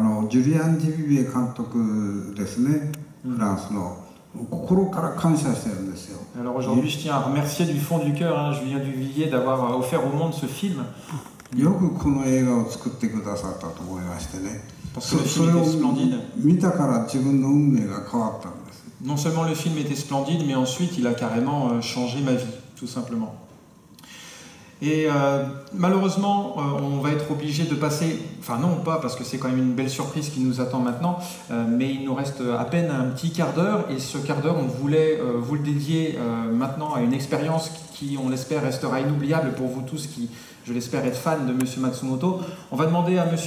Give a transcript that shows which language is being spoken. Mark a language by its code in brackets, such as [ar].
[ja] ジュリアン・ディビビエ監督ですね、フランスの、心から感謝してるんですよ。 [fr] Alors aujourd'hui, je tiens à remercier du fond du cœur, hein, Julien Duvivier, d'avoir offert au monde ce film. [ja] よくこの映画を作ってくださったと思いましてね。 [fr] Parce que le film était splendide. [ja] 見たから自分の運命が変わったんです。 [fr] Non seulement le film était splendide, mais ensuite il a carrément changé ma vie, tout simplement. Et malheureusement, on va être obligé de passer, enfin non pas, parce que c'est quand même une belle surprise qui nous attend maintenant, mais il nous reste à peine un petit quart d'heure, et ce quart d'heure, on voulait vous le dédier maintenant à une expérience qui, on l'espère, restera inoubliable pour vous tous qui, je l'espère, êtes fans de M. Matsumoto. On va demander à M.